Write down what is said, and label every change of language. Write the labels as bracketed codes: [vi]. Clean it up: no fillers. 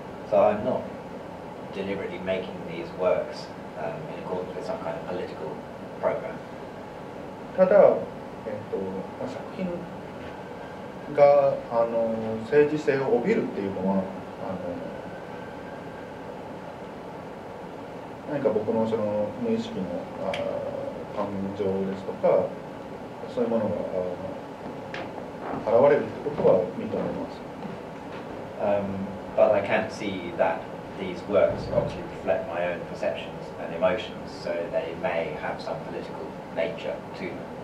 [en] So I'm not deliberately making these works in accordance with some kind of political program. [ja] ただ、作品が政治性を帯びるっていうのは何か僕のその無意識の感情ですとかそういうものが現れるということは認めます。 [en] But I can't see that these works obviously reflect my own perceptions and emotions, so they may have some political nature to them.